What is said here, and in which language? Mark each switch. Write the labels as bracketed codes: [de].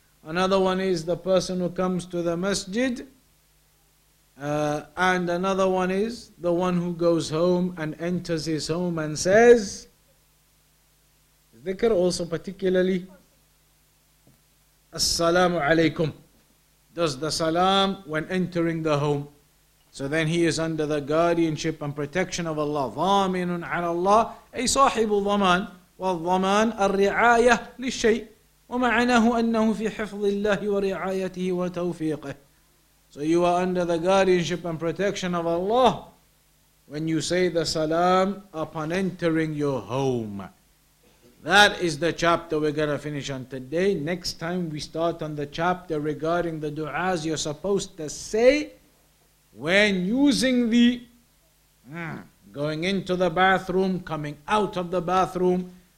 [en] Another one is the person who comes to the masjid. And another one is the one who goes home and enters his home and says, dhikr also particularly, As-salamu alaykum. Does the salam when entering the home. So then he is under the guardianship and protection of Allah. [ar] Dhaminun ala Allah, ay sahibu dhaman. والضمان الرعاية للشيء ومعناه أنه في حفظ الله ورعايته وتوفيقه. [en] So you are under the guardianship and protection of Allah when you say the salam upon entering your home. That is the chapter we're going to finish on today. Next time we start on the chapter regarding the du'as you're supposed to say when using the going into the bathroom, coming out of the bathroom.